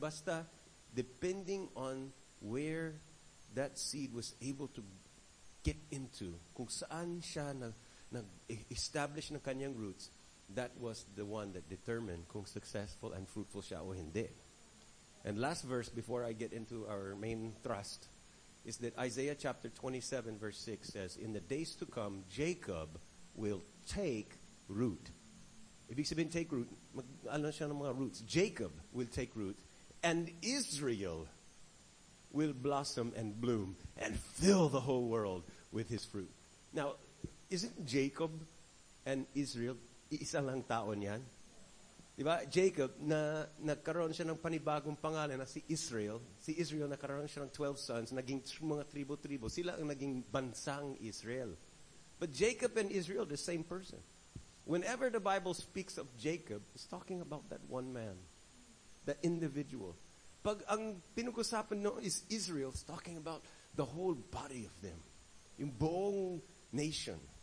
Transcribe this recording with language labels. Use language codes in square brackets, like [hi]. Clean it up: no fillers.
[en] Basta, depending on where that seed was able to get into, [tl] kung saan siya nag-establish ng kanyang roots, [en] that was the one that determined kung successful and fruitful [tl] siya o hindi. [en] And last verse before I get into our main thrust is that Isaiah chapter 27 verse 6 says, in the days to come, Jacob will take root. [tl] Ibig sabihin [en] take root, [tl] alam siya ng mga roots. [en] Jacob will take root and Israel will blossom and bloom and fill the whole world with his fruit. Now, isn't Jacob and Israel [tl] isa lang tao niyan? Diba? Jacob, na nagkaroon siya ng panibagong pangalan na si Israel. Si Israel, nakaroon siya ng 12 sons, naging mga tribo-tribo. Sila ang naging bansang Israel. [en] But Jacob and Israel, the same person. Whenever the Bible speaks of Jacob, it's talking about that one man, that individual. [tl] Pag ang pinukusapan no [en] is Israel, it's talking about the whole body of them, [tl] yung buong [en] nation.